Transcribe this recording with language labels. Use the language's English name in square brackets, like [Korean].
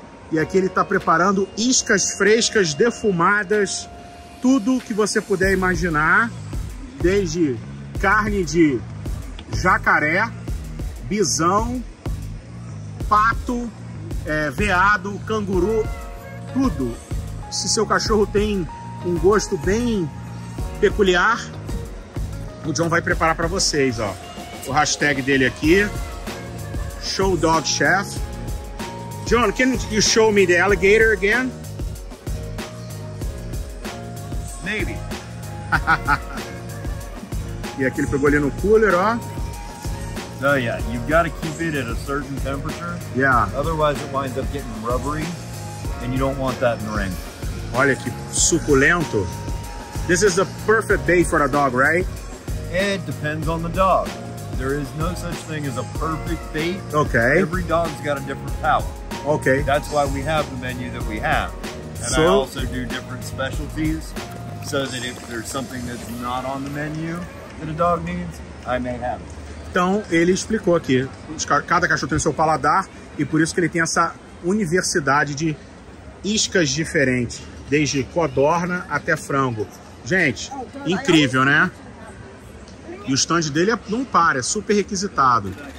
[Portuguese] E aqui ele está preparando iscas frescas, defumadas, tudo que você puder imaginar, desde carne de jacaré, bisão, pato, veado, canguru, tudo. Se seu cachorro tem um gosto bem peculiar, o John vai preparar para vocês, ó. O hashtag dele aqui, Show Dog Chef. [English] John, can you show me the alligator again? Maybe. [Portuguese] E aqui ele pegou ali no cooler, ó. [English] Oh, yeah. You've got to keep it at a certain temperature. Yeah. Otherwise, it winds up getting rubbery, and you don't want that in the ring. [Portuguese] Olha que suculento. [English] This is the perfect bait for a dog, right? It depends on the dog. There is no such thing as a perfect bait. Okay. Every dog's got a different palate. Okay. That's why we have the menu that we have. And so, I also do different specialties so that if there's something that's not on the menu that a dog needs, I may have it. [Portuguese] Então, ele explicou aqui. Cada cachorro tem seu paladar e por isso que ele tem essa universidade de iscas diferentes, desde codorna até frango. Gente, incrível, né? E o stand dele não para, é super requisitado.